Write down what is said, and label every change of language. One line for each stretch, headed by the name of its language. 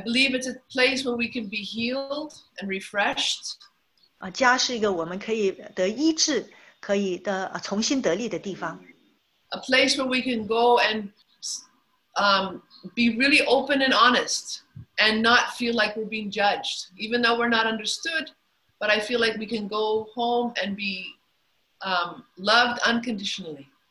English: believe it's a place where we can be healed and refreshed.
Chinese: 家是一个我们可以得医治、可以重新得力的地方。
English: A place where we can go and be really open and honest, and not feel like we're being judged, even though we're not understood. But I feel like we can go home and be loved unconditionally.